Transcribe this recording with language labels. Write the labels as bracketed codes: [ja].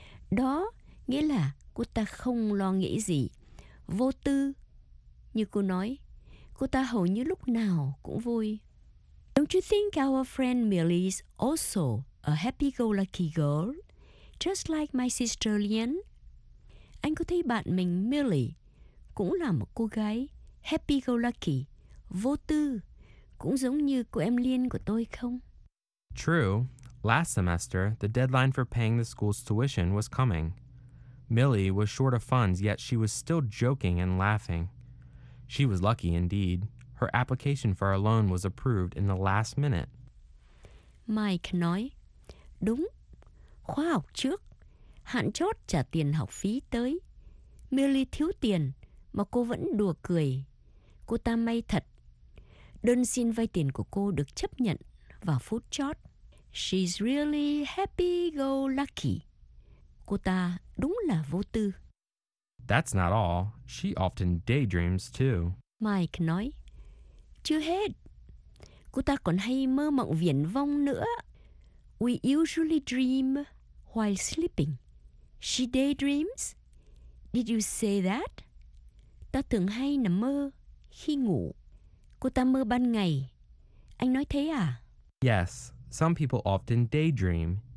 [vi] Đó nghĩa là cô ta không lo nghĩ gì, vô tư. Như cô nói, cô ta hầu như lúc nào cũng vui. [en] Don't you think our friend Millie is also a happy-go-lucky girl, just like my sister Lien? [vi] Anh có thấy bạn mình Millie cũng là một cô gái happy-go-lucky, vô tư, cũng giống như cô em Lien của tôi không? [en] True. Last semester, the deadline for paying the school's tuition was coming. Millie was short of funds, yet she was still joking and laughing. She was lucky indeed. Her application for a loan was approved in the last minute. [vi] Mike nói, đúng, khóa học trước, hạn chót trả tiền học phí tới. Millie thiếu tiền, mà cô vẫn đùa cười. Cô ta may thật. Đơn xin vay tiền của cô được chấp nhận vào phút chót. [en] She's really happy-go-lucky. [vi] Cô ta đúng là vô tư. [en] That's not all. She often daydreams too. [vi] Mike nói, chưa hết. Cô ta còn hay mơ mộng viển vông nữa. [en] We usually dream while sleeping. She daydreams. Did you say that? [vi] Ta thường hay nằm mơ khi ngủ. Cô ta mơ ban ngày. Anh nói thế à? [en] Yes. Some people often daydream.